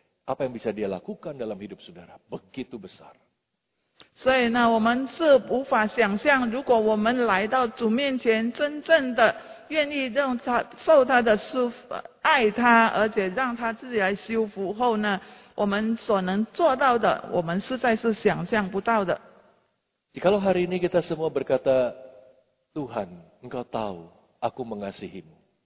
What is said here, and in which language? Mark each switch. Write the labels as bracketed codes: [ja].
[id] Apa yang bisa Dia lakukan dalam hidup saudara begitu besar. [zh] 所以呢，我们是无法想象，如果我们来到主面前，真正的愿意让他受他的束缚，爱他，而且让他自己来修复后呢， 我们所能做到的，我们实在是想象不到的。 [id] Jikalau hari ini kita semua berkata, Tuhan, Engkau tahu, aku mengasihimu.